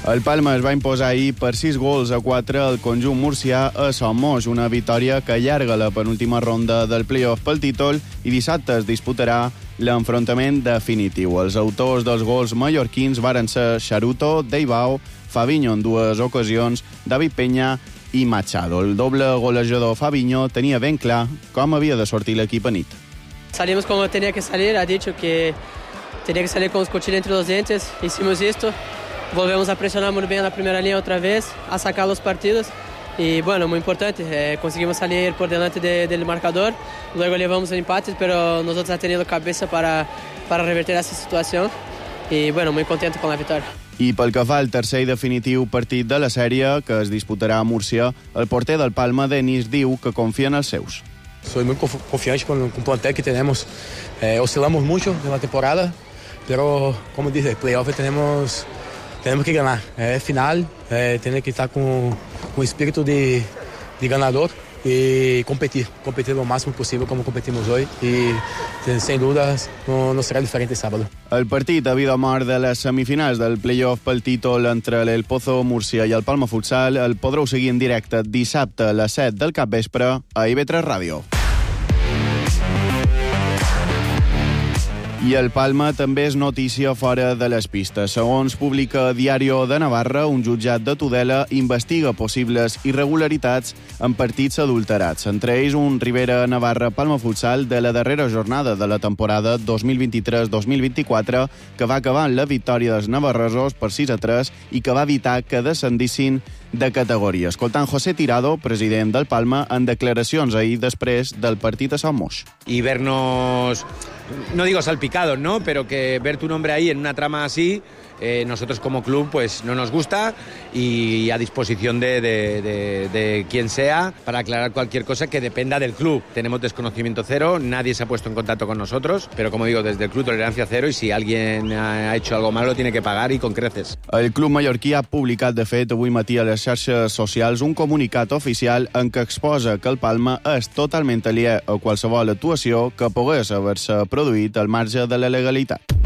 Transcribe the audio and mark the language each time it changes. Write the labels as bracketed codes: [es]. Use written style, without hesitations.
[ca] El Palma es va imposar ahir per 6 gols a 4 al conjunt murcià a Somos, una victòria que allarga la penúltima ronda del play-off pel títol i dissabte es disputarà l'enfrontament definitiu. Els autors dels gols mallorquins varen ser Xaruto, Deibau, Fabinho en dues ocasions, David Peña i Machado. El doble golejador Fabinho tenia ben clar com havia de sortir l'equip a nit. [es] Salimos como tenía que salir, ha dicho que tenía que salir con los cuchillos entre los dientes, hicimos esto, volvemos a presionar muy bien la primera línea otra vez, a sacar los partidos, y bueno, muy importante, conseguimos salir por delante del marcador, luego llevamos el empate, pero nosotros ha tenido cabeza para revertir esa situación, y bueno, muy contento con la victoria. [ca] I pel que fa al tercer i definitiu partit de la sèrie, que es disputarà a Múrcia, el porter del Palma, Denis, diu que confia en els seus. [es] Soy muy confiante con el plantel que tenemos. Oscilamos mucho en la temporada, pero, como dice, playoff tenemos que ganar. Final, tiene que estar con espíritu de ganador y competir lo máximo posible como competimos hoy y sin dudas no será diferente sábado. [ca] El partit a vida o mort de les semifinals del play-off pel títol entre el Pozo Murcia i el Palma Futsal el podreu seguir en directe dissabte a les 7 del capvespre a IB3 Ràdio. I el Palma també és notícia fora de les pistes. Segons publica Diario de Navarra, un jutjat de Tudela investiga possibles irregularitats en partits adulterats. Entre ells, un Ribera Navarra-Palma Futsal de la darrera jornada de la temporada 2023-2024 que va acabar amb la victòria dels navarresos per 6-3 i que va evitar que descendissin de categoria. Escoltant José Tirado, president del Palma, en declaracions ahir després del partit a Sant Moix. [es] I vernos, no digo salpicados, ¿no? Pero que ver tu nombre ahí en una trama así, nosotros como club, pues no nos gusta y a disposición de quien sea para aclarar cualquier cosa que dependa del club. Tenemos desconocimiento cero, nadie se ha puesto en contacto con nosotros, pero como digo, desde el club tolerancia cero y si alguien ha hecho algo malo, tiene que pagar y con creces. [ca] El club mallorquí ha publicat, de fet, avui matí a les xarxes socials un comunicat oficial en què exposa que el Palma és totalment aliè a qualsevol actuació que pogués haver-se produït al marge de la legalitat.